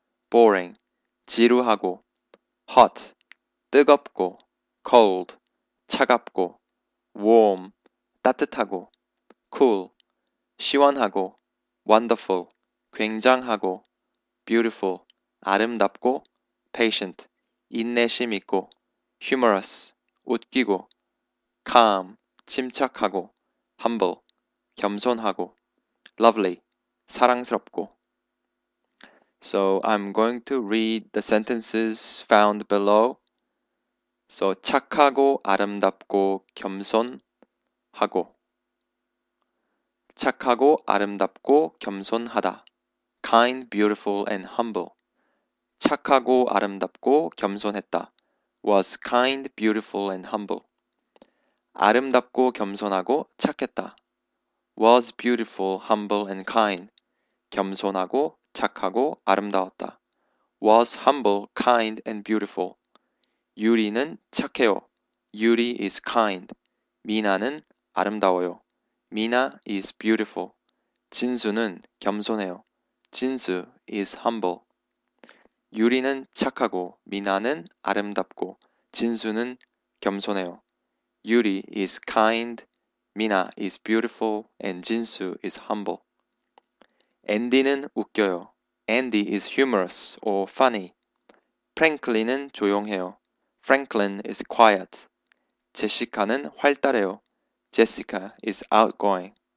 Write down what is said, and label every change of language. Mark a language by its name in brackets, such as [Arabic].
[Korean] boring, 지루하고, hot, 뜨겁고, cold, 차갑고, warm, 따뜻하고, cool, 시원하고, wonderful, 굉장하고, beautiful, 아름답고, patient, 인내심 있고, humorous, 웃기고, calm, 침착하고, humble, 겸손하고, lovely, 사랑스럽고. [English] So I'm going to read the sentences found below. [Korean] So 착하고, 아름답고, 겸손하고. 착하고, 아름답고, 겸손하다. [English] Kind, beautiful, and humble. [Korean] 착하고, 아름답고, 겸손했다. [English] Was kind, beautiful, and humble. [Korean] 아름답고 겸손하고 착했다. [English] Was beautiful, humble, and kind. [Korean] 겸손하고 착하고 아름다웠다. [English] Was humble, kind, and beautiful. [Korean] 유리는 착해요. [English] 유리 is kind. [Korean] 미나는 아름다워요. [English] 미나 is beautiful. [Korean] 진수는 겸손해요. [English] 진수 is humble. [Korean] 유리는 착하고 미나는 아름답고 진수는 겸손해요. [English] Yuri is kind, Mina is beautiful, and Jinsu is humble. [Korean] Andy는 웃겨요. [English] Andy is humorous or funny. [Korean] Franklin은 조용해요. [English] Franklin is quiet. [Korean] Jessica는 활달해요. [English] Jessica is outgoing.